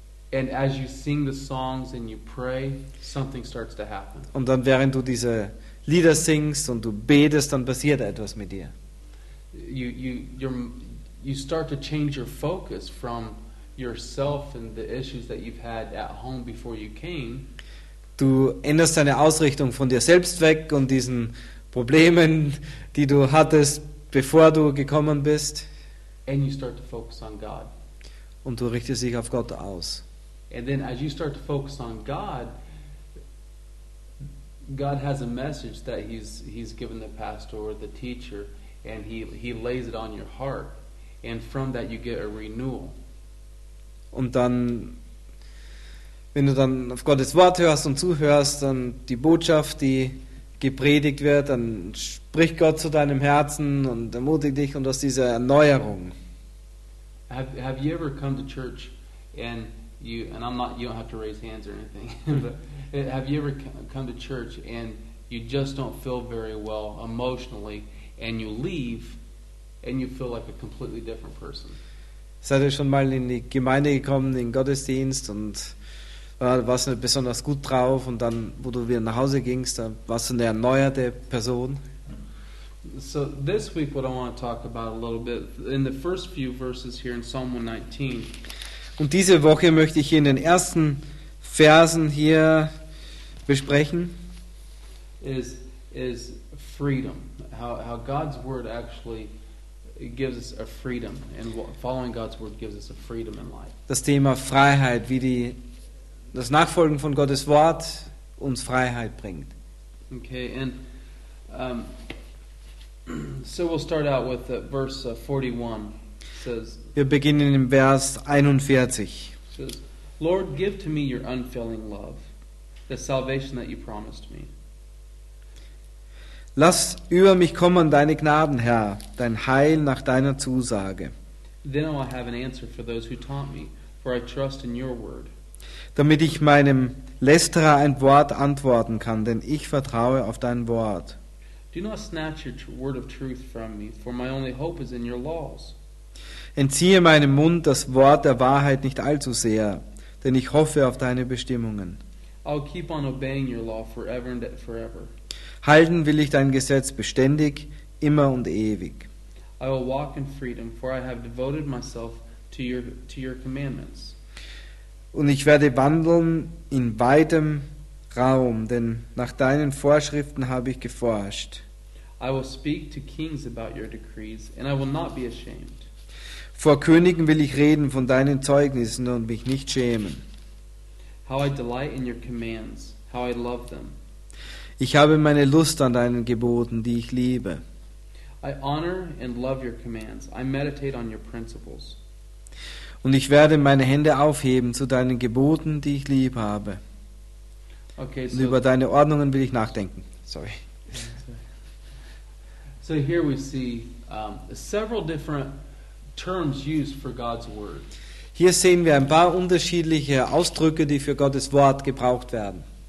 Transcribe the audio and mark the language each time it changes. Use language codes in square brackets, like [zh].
[en] And as you sing the songs and you pray, something starts to happen. [de] Und dann, während du diese Lieder singst und du betest, dann passiert etwas mit dir. [en] You start to change your focus from yourself and the issues that you've had at home before you came. [de] Du änderst deine Ausrichtung von dir selbst weg und diesen Problemen, die du hattest, bevor du gekommen bist. [en] And you start to focus on God. [de] Und du richtest dich auf Gott aus. [en] And then as you start to focus on God, God has a message that he's given the pastor or the teacher, and he lays it on your heart, and from that you get a renewal. [de] Und dann, wenn du dann auf Gottes Wort hörst und zuhörst, dann die Botschaft, die gepredigt wird, dann spricht Gott zu deinem Herzen und ermutigt dich, und aus dieser Erneuerung. [en] Have you ever come to church and I'm not, you don't have to raise hands or anything, but have you ever come to church and you just don't feel very well emotionally and you leave and you feel like a completely different person? [de] Seid ihr schon mal in die Gemeinde gekommen, in den Gottesdienst, und warst nicht besonders gut drauf, und dann, wo du wieder nach Hause gingst, da warst du eine erneuerte Person? [en] So this week what I want to talk about a little bit, in the first few verses here in Psalm 119. [de] Und diese Woche möchte ich in den ersten Versen hier besprechen. [en] Is freedom. How God's word actually it gives us a freedom, and following God's word gives us a freedom in life. [de] Das Thema Freiheit, wie die das Nachfolgen von Gottes Wort uns Freiheit bringt. [en] Okay, and so we'll start out with verse 41. It says, [de] wir beginnen im Vers 41. [en] Says, Lord, give to me your unfailing love, the salvation that you promised me. [de] Lass über mich kommen deine Gnaden, Herr, dein Heil nach deiner Zusage. [en] Then I will have an answer for those who taunt me, for I trust in your word. [de] Damit ich meinem Lästerer ein Wort antworten kann, denn ich vertraue auf dein Wort. [en] Do not snatch your word of truth from me, for my only hope is in your laws. [de] Entziehe meinem Mund das Wort der Wahrheit nicht allzu sehr, denn ich hoffe auf deine Bestimmungen. [en] I'll keep on obeying your law forever and forever. [de] Halten will ich dein Gesetz beständig, immer und ewig. [en] I will walk in freedom, for I have devoted myself to your commandments. [de] Und ich werde wandeln in weitem Raum, denn nach deinen Vorschriften habe ich geforscht. [en] I will speak to kings about your decrees, and I will not be ashamed. [de] Vor Königen will ich reden von deinen Zeugnissen und mich nicht schämen. [en] How I delight in your commands, how I love them. [de] Ich habe meine Lust an deinen Geboten, die ich liebe. [en] I honor and love your commands. I meditate on your principles. [de] Und ich werde meine Hände aufheben zu deinen Geboten, die ich lieb habe. [en] Okay, [de] und so über deine Ordnungen will ich nachdenken. [en] Sorry. So here we see several different terms used for God's word. [de] Hier sehen wir ein paar unterschiedliche Ausdrücke, die für Gottes Wort gebraucht werden.